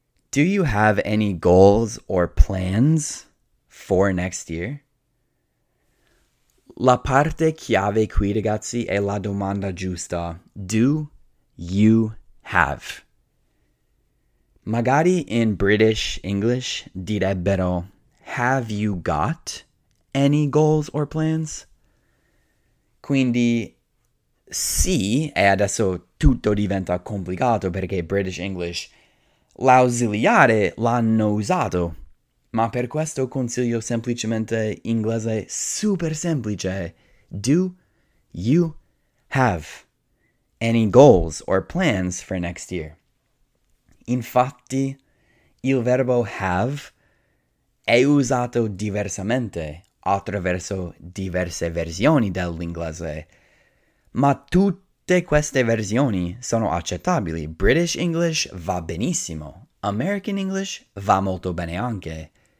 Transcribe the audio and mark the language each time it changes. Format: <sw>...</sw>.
<en>Do you have any goals or plans for next year?</en> <it>La parte chiave qui, ragazzi, è la domanda giusta.</it> <en>Do you have?</en> <it>Magari in British English direbbero</it> <en>have you got any goals or plans?</en> <it>Quindi, sì, e adesso tutto diventa complicato perché British English l'ausiliare l'hanno usato. Ma per questo consiglio semplicemente inglese super semplice.</it> <en>Do you have any goals or plans for next year?</en> <it>Infatti, il verbo have è usato diversamente attraverso diverse versioni dell'inglese. Ma tutte queste versioni sono accettabili. British English va benissimo. American English va molto bene anche.</it>